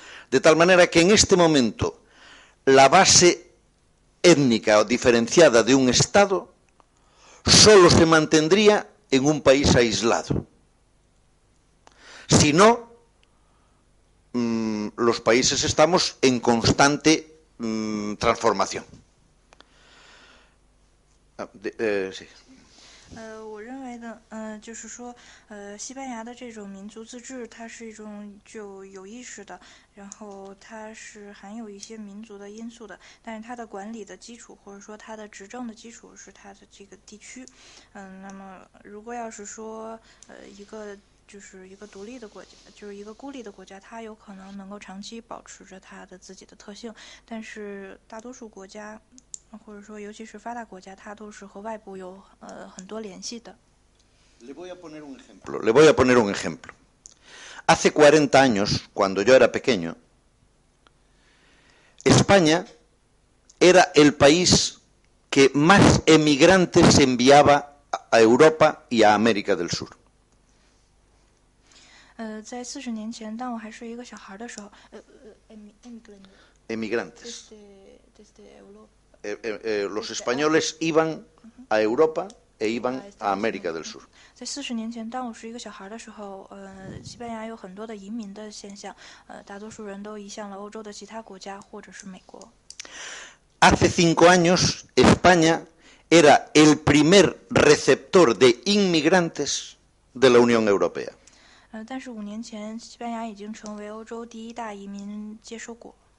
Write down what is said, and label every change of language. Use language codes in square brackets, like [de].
[es] De tal manera que en este momento la base étnica o diferenciada de un estado solo se mantendría en un país aislado. Si no, los países estamos en constante transformación. Sí. [zh] 我认为的，就是说，西班牙的这种民族自治，它是一种具有意识的，然后它是含有一些民族的因素的，但是它的管理的基础或者说它的执政的基础是它的这个地区，那么如果要是说，一个独立的国家，就是一个孤立的国家，它有可能能够长期保持着它的自己的特性，但是大多数国家。或者说，尤其是发达国家，它都是和外部有很多联系的。 [es] Le voy a poner un ejemplo. Hace 40 años, cuando yo era pequeño, España era el país que más emigrantes enviaba a Europa y a América del Sur. [zh] 在四十年前，当我还是一个小孩的时候， [es] emigrantes. Desde Europa. Los españoles iban a Europa e iban a América del Sur. [zh] 在四十年前，当我是一个小孩的时候，西班牙有很多的移民的现象，大多数人都移向了欧洲的其他国家或者是美国。 [es] Hace 5 años, España era el primer receptor de inmigrantes de la Unión Europea. [zh] 但是五年前，西班牙已经成为欧洲第一大移民接收国。